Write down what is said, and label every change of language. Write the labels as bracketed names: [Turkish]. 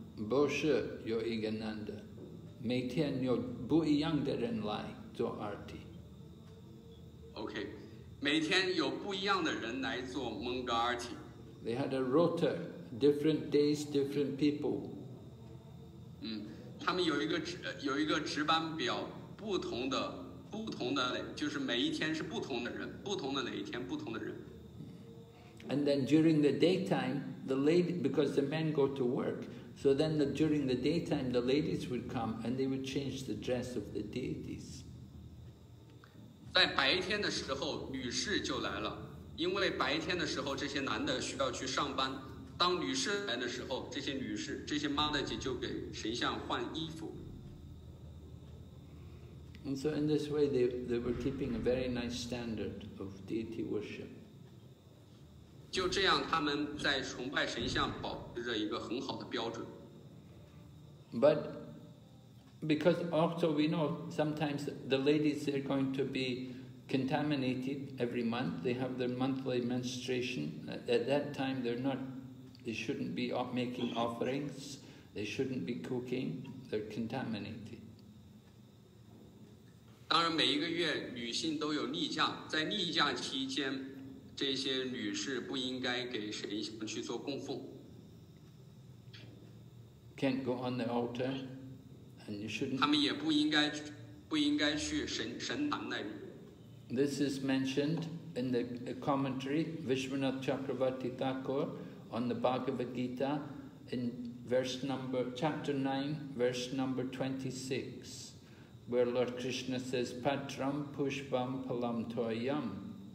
[Chinese] 不是有一个男的，每天有不一样的人来做阿提。 OK， 每天有不一样的人来做蒙哥阿提。 [English] They had a rotor, different days, different people. [Chinese] 他们有一个值班表，不同的就是每一天是不同的人，不同的哪一天不同的人。 [English] And then during the daytime, the lady, because the men go to work, so then during the daytime, the ladies would come and they would change the dress of the deities. [Chinese] 在白天的时候，女士就来了，因为白天的时候这些男的需要去上班。当女士来的时候，这些妈的姐就给神像换衣服。 [English] And so in this way, they were keeping a very nice standard of deity worship. [Chinese] 就这样，他们在崇拜神像保持着一个很好的标准。 [English] But because also we know sometimes the ladies are going to be contaminated every month. They have their monthly menstruation. At that time, they shouldn't be making offerings. They shouldn't be cooking. They're contaminated. [Chinese] 当然每一个月女性都有例假，在例假期间这些女士不应该给神像去做供奉。 [English] Can't go on the altar, and you shouldn't. [Chinese] 他们也不应该去神堂那里。 [English] This is mentioned in the commentary Vishwanath Chakravarti Thakur on the Bhagavad Gita in chapter 9, verse number 26. Where Lord Krishna says, [Sanskrit] Patram Pushpam Palam Toyam.